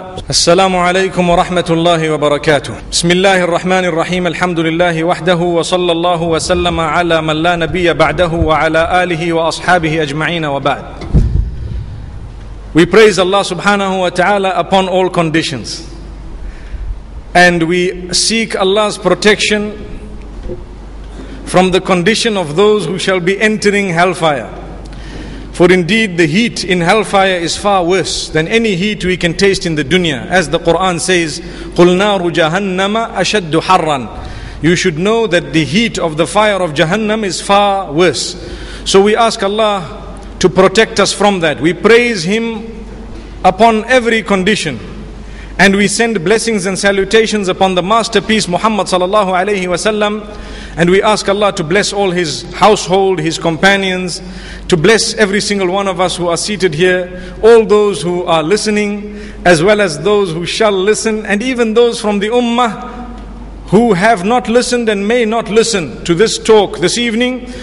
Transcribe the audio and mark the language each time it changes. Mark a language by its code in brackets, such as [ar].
[ar] السلام عليكم ورحمة الله وبركاته. بسم الله الرحمن الرحيم. الحمد لله وحده، وصلى الله وسلم على من لا نبي بعده وعلى آله وأصحابه أجمعين، وبعد. [en] We praise Allah subhanahu wa ta'ala upon all conditions, and we seek Allah's protection from the condition of those who shall be entering hellfire. For indeed the heat in hellfire is far worse than any heat we can taste in the dunya. As the Quran says, [ar] قُلْ نَارُ جَهَنَّمَ أَشَدُّ حَرًّا. [en] You should know that the heat of the fire of Jahannam is far worse. So we ask Allah to protect us from that. We praise Him upon every condition, and we send blessings and salutations upon the masterpiece Muhammad sallallahu alayhi wa sallam, and we ask Allah to bless all his household, his companions, to bless every single one of us who are seated here, all those who are listening, as well as those who shall listen, and even those from the ummah who have not listened and may not listen to this talk this evening.